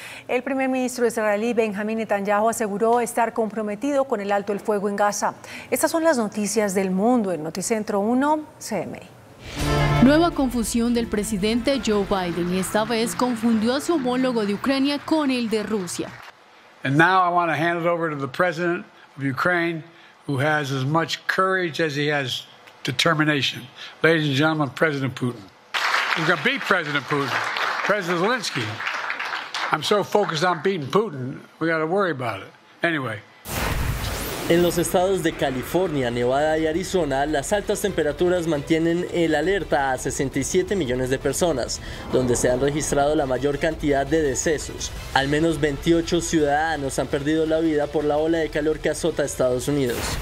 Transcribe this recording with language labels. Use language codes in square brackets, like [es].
[es] El primer ministro israelí, Benjamin Netanyahu, aseguró estar comprometido con el alto el fuego en Gaza. Estas son las noticias del mundo en Noticentro 1, CMI. Nueva confusión del presidente Joe Biden y esta vez confundió a su homólogo de Ucrania con el de Rusia. [en] And now I want to hand it over to the president of Ukraine, who has as much courage as he has determination. Ladies and gentlemen, President Putin. I'm going to beat President Putin. President Zelensky. I'm so focused on beating Putin, we got to worry about it. Anyway. [es] En los estados de California, Nevada y Arizona, las altas temperaturas mantienen el alerta a 67 millones de personas, donde se han registrado la mayor cantidad de decesos. Al menos 28 ciudadanos han perdido la vida por la ola de calor que azota Estados Unidos.